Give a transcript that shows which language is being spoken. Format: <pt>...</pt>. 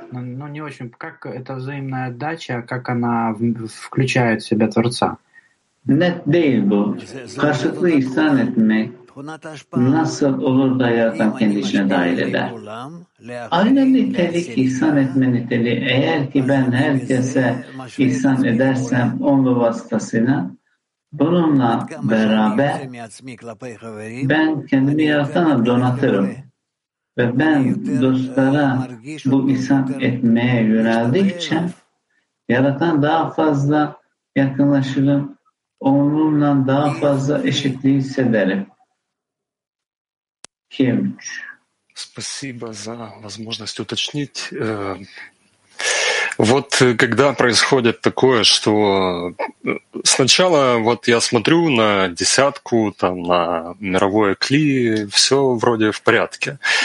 <ru>Ну не очень, как это взаимная отдача, как она включает в себя Творца?</ru> <tr>Net değil bu. Karşılıklı ihsan etmek nasıl olur da yaratan kendisine dahil eder? Aynı nitelik ihsan etme niteli. Eğer ki ben herkese ihsan edersem onun vasıtasıyla, bununla beraber ben kendimi yaratana donatırım ve ben dostlara bu ihsan etmeye yöneldikçe yaratan daha fazla yakınlaşırım, onunla daha fazla eşitliği hissederim. Kim?</tr> <ru>Спасибо за возможность уточнить. Вот когда происходит такое, что сначала вот я смотрю на десятку, там на мировое кли, все вроде в порядке.</ru>